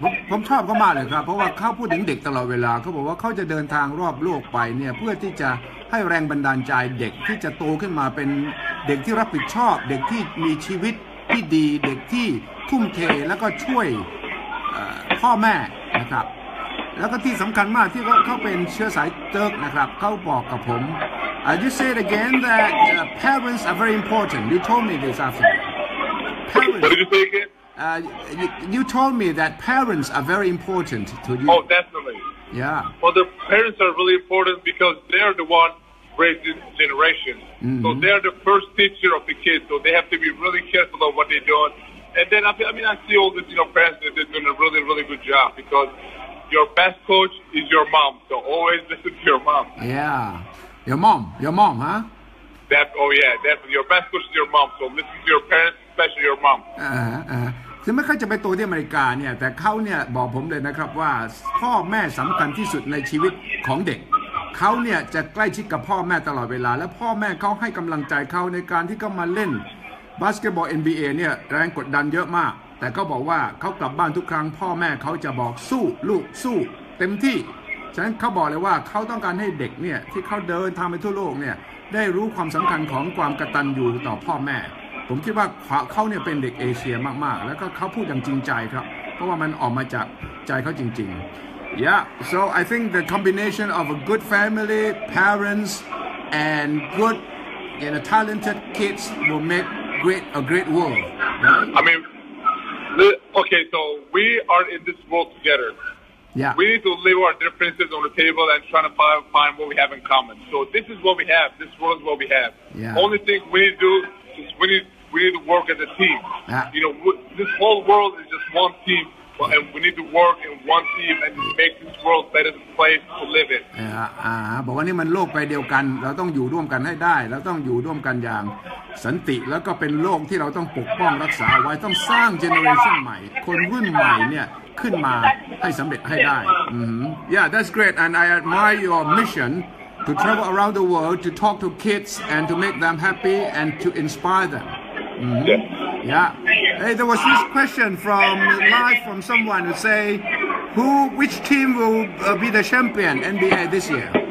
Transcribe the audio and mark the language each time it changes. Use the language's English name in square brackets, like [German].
[Thai] ผมชอบเขามากเลยครับเพราะว่าเขาพูดถึงเด็กตลอดเวลาเขาบอกว่าเขาจะเดินทางรอบโลกไปเนี่ยเพื่อที่จะให้แรงบันดาลใจเด็กที่จะโตขึ้นมาเป็นเด็กที่รับผิดชอบเด็กที่มีชีวิตที่ดีเด็กที่ทุ่มเทแล้วก็ช่วยพ่อแม่นะครับแล้วก็ที่สำคัญมากที่เขาเป็นเชื้อสายเติร์กนะครับเขาบอกกับผม [English] you said again that parents are very important. You told me this afternoon. Parents. What did you say again? You told me that parents are very important to you. Oh, definitely. Yeah. Well, the parents are really important because they're the one raised this generation. Mm-hmm. So they're the first teacher of the kids. So they have to be really careful of what they're doing. And then, I see all these, you know, parents that they're doing a really, really good job because your best coach is your mom. So always listen to your mom. Yeah. Your mom, huh? Definitely. Your best coach is your mom. So listen to your parents, especially your mom. [Thai] ถึงแม้เขาจะไปโตที่อเมริกาเนี่ยแต่เขาเนี่ยบอกผมเลยนะครับว่าพ่อแม่สำคัญที่สุดในชีวิตของเด็กเขาเนี่ยจะใกล้ชิดกับพ่อแม่ตลอดเวลาและพ่อแม่เขาให้กำลังใจเขาในการที่เขามาเล่น บาสเกตบอล NBA เนี่ยแรงกดดันเยอะมากแต่เขาบอกว่าเขากลับบ้านทุกครั้งพ่อแม่เขาจะบอกสู้ลูกสู้เต็มที่ ฉะนั้นเขาบอกเลยว่าเขาต้องการให้เด็กเนี่ยที่เขาเดินทางไปทั่วโลกเนี่ยได้รู้ความสำคัญของความกตัญญูต่อพ่อแม่ผมคิดว่าเขาเนี่ยเป็นเด็กเอเชียมากๆแล้วก็เขาพูดอย่างจริงใจครับเพราะว่ามันออกมาจากใจเขาจริงๆ [English] Yeah so I think the combination of a good family parents and good and you know, talented kids will make a great world I mean okay so we are in this world together Yeah. We need to leave our differences on the table and try to find what we have in common. So this is what we have. This world is what we have. Yeah. Only thing we need to do is we need to work as a team. Yeah. You know, this whole world is just one team, and we need to work in one team and make this world better place to live in. Yeah. [Thai] บอกว่านี่มันโลกใบเดียวกันเราต้องอยู่ร่วมกันให้ได้เราต้องอยู่ร่วมกันอย่าง สันติแล้วก็เป็นโลกที่เราต้องปกป้องรักษาไว้ต้องสร้างเจเนอเรชั่นใหม่คนรุ่นใหม่เนี่ยขึ้นมาให้สำเร็จให้ได้ [English] Yeah that's great and I admire your mission to travel around the world to talk to kids and to make them happy and to inspire them Yeah Hey there was this question from live from someone who say which team will be the champion NBA this year